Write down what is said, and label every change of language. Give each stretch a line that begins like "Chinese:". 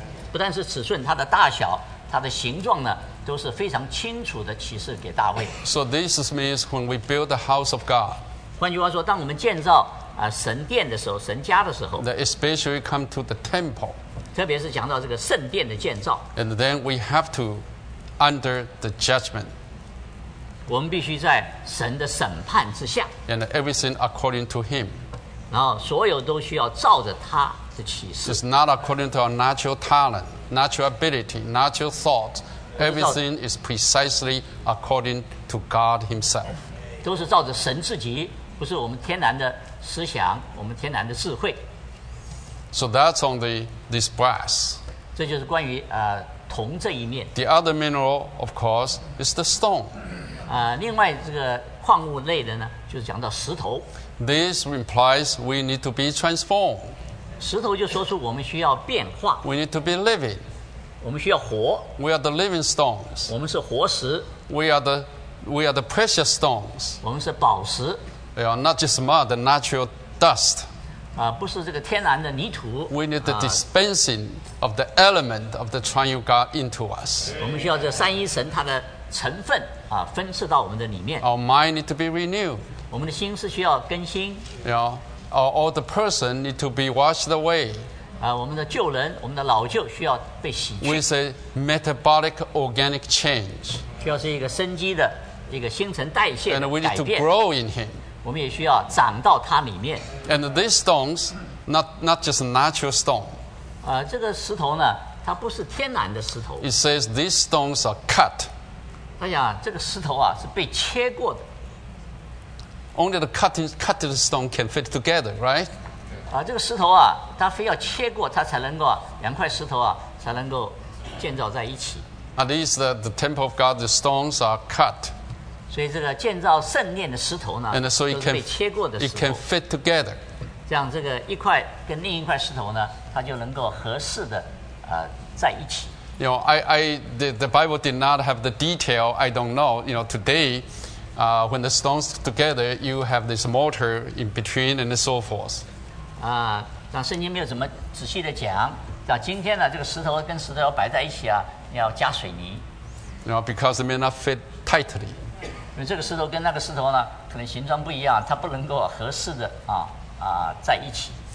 Chinese: 不但是尺寸它的大小它的形状呢都是非常清楚的启示给大卫
English: So this means when we build the house of God
Chinese: 换句话说当我们建造神殿的时候神家的时候
English: That especially come to the temple
Chinese: 特别是讲到这个圣殿的建造
English: And then we have toUnder the judgment,
Chinese: 我们必须在神的审判之下
English: and everything according to Him.
Chinese: 然后所有都需要照着他的启示
English: It's not according to our natural talent, natural ability, natural thought. Everything is precisely according to God Himself.
Chinese: 都是照着神自己，不是我们天然的思想，我们天然的智慧。
English: So that's on the this brass.
Chinese: 这就是关于铜这一面
English: The other mineral, of course, is the stone.
Chinese: 另外这个矿物类的呢，就是讲到石头。
English: This implies we need to be transformed.
Chinese: 石头就说出我们需要变化。
English: We need to be living.
Chinese: 我们需要活。
English: We are the living stones.
Chinese: 我们是活石。
English: We are the precious stones.
Chinese: 我们是宝石。
English: They are not just mud, the natural dust.
Chinese: 不是这个天然的泥土。
English: We need the dispensing of the element of the triune God into us.
Chinese: 我们需要这三一神它的成分分赐到我们的里面。
English: Our mind need to be renewed.
Chinese: 我们的心是需要更新。
English: You know, all the person need to be washed away.
Chinese: 我们的旧人，我们的老旧需要被洗去。
English: We say metabolic organic change.
Chinese: 需要是一个生机的一个新陈代谢的改变。
English: And we need to grow in Him.
Chinese: 我们也需要长到它里面。
English: And these stones, not just natural stone.
Chinese: 这个石头呢，它不是天然的石头。
English: It says these stones are cut.
Chinese: 他讲这个石头啊是被切过的。
English: Only the cutting stone can fit together, right?
Chinese: 这个石头啊，它非要切过，它才能够两块石头啊才能够建造在一起。
English: At least the temple of God, the stones are cut.
Chinese: 所以这个建造圣殿的石头呢，都是被切过的石头。
English: It can fit together.
Chinese: 这样，这个一块跟另一块石头呢，它就能够合适的在一起。
English: You know, the Bible did not have the detail. I don't know. You know, today, when the stones together, you have this mortar in between and so forth.
Chinese: 像圣经没有怎么仔细的讲。像今天呢，这个石头跟石头要摆在一起啊，要加水泥。
English: You know, because it may not fit tightly.
Chinese: 因为这个石头跟那个石头呢，可能形状不一样，它不能够合适的在一起。